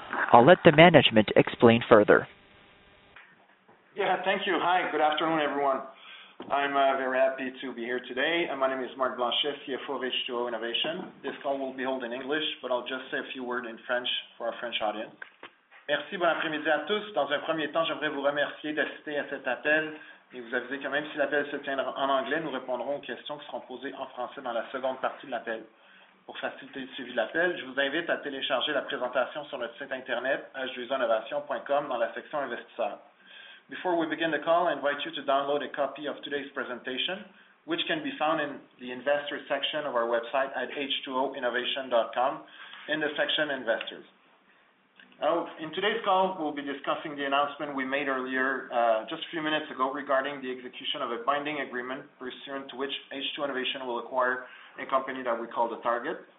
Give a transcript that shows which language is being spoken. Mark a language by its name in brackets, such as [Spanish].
[English] I'll let the management explain further. Yeah, thank you. Hi, good afternoon, everyone. I'm very happy to be here today. My name is Marc Blanchet, CFO of H2O Innovation. This call will be held in English, but I'll just say a few words in French for our French audience. [French] Merci, bon après-midi à tous. Dans un premier temps, j'aimerais vous remercier d'assister à cet appel. Et vous avisez que même si l'appel se tient en anglais, nous répondrons aux questions qui seront posées en français dans la seconde partie de l'appel. Pour faciliter le suivi de l'appel, je vous invite à télécharger la présentation sur notre site internet h2oinnovation.com dans la section investisseurs. [English] Before we begin the call, I invite you to download a copy of today's presentation, which can be found in the investor section of our website at h2oinnovation.com in the section investors. Now, in today's call, we'll be discussing the announcement we made earlier, just a few minutes ago, regarding the execution of a binding agreement pursuant to which H2 Innovation will acquire a company that we call The Target.